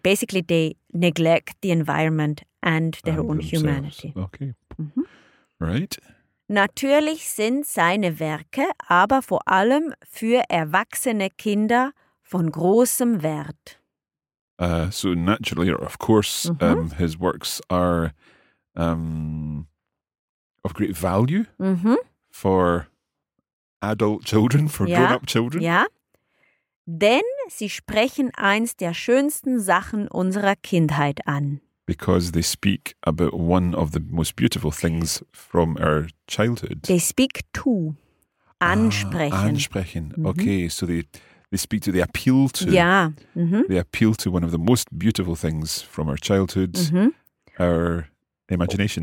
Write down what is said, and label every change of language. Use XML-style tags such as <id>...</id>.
<en>Basically, they neglect the environment and their own themselves. Humanity. Okay. Mm-hmm. Right.</en> <de>Natürlich sind seine Werke aber vor allem für erwachsene Kinder von großem Wert.</de> <en>So naturally, or of course, his works are of great value for adult children, for grown-up children.</en> <de>Ja, denn sie sprechen eins der schönsten Sachen unserer Kindheit an.</de> <en>Because they speak about one of the most beautiful things from our childhood. They speak to, ansprechen. Ansprechen, okay, so they speak to, they appeal to. Yeah. Mm-hmm. They appeal to one of the most beautiful things from our childhood, our imagination.</en>